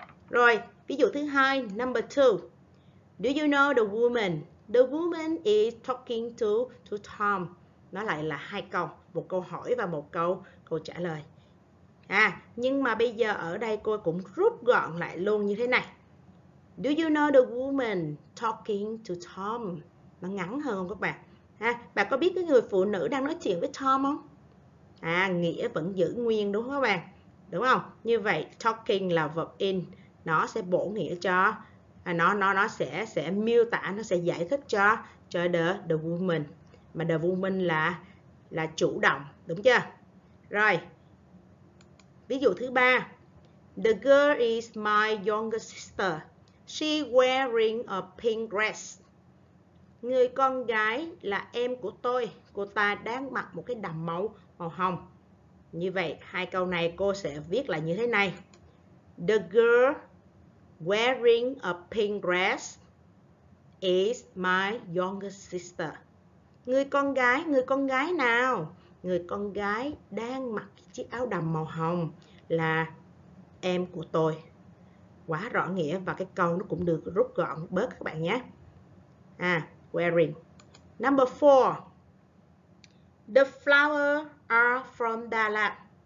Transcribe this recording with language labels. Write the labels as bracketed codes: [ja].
[vi] Rồi, ví dụ thứ hai, [en] number 2. Do you know the woman? The woman is talking to Tom. [vi] Nó lại là hai câu, một câu hỏi và một câu trả lời. À, nhưng mà bây giờ ở đây cô cũng rút gọn lại luôn như thế này. [en] Do you know the woman talking to Tom? [vi] Nó ngắn hơn không các bạn? À, bạn có biết cái người phụ nữ đang nói chuyện với Tom không? À, nghĩa vẫn giữ nguyên đúng không các bạn? Đúng không? Như vậy, talking là verb in. Nó sẽ bổ nghĩa cho, nó sẽ miêu tả, nó sẽ giải thích cho the woman. Mà the woman là chủ động, đúng chưa? Rồi, ví dụ thứ ba. [en] The girl is my younger sister. She wearing a pink dress. [vi] Người con gái là em của tôi. Cô ta đang mặc một cái đầm màu màu hồng. Như vậy, hai câu này cô sẽ viết lại như thế này. [en] The girl wearing a pink dress is my younger sister. [vi] Người con gái nào? Người con gái đang mặc chiếc áo đầm màu hồng là em của tôi. Quá rõ nghĩa và cái câu nó cũng được rút gọn bớt các bạn nhé. [en] À, wearing. Number 4. The flowers are from Đà Lạt.